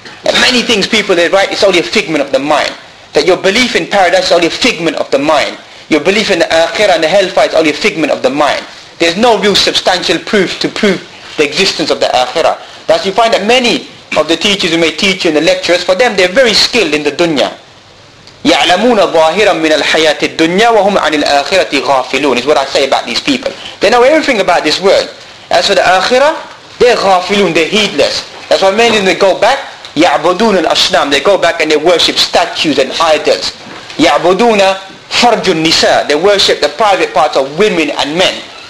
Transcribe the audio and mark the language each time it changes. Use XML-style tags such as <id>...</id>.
<en>And many things people they write, it's only a figment of the mind. That your belief in paradise is only a figment of the mind. Your belief in the akhirah and the hellfire is only a figment of the mind. There's no real substantial proof to prove the existence of the akhirah. Thus you find that many of the teachers who may teach you and the lecturers, for them they're very skilled in the dunya.</en> <ar>يَعْلَمُونَ ظَاهِرًا مِنَ الْحَيَاةِ الدُّنْيَا وَهُمْ عَنِ الْآخِرَةِ غَافِلُونَ</ar> <en>is what I say about these people. They know everything about this world. As for the akhirah, they're غَافِلُونَ, they're heedless. That's why many of them go back,</en> <ar>يَعْبُدُونَ الْأَصْنَامِ</ar> <en>they go back and they worship statues and idols.</en> <ar>يَعْبُدُونَ فَرْجُ النِّسَى</ar> <en>they worship the private parts of women and men.</en>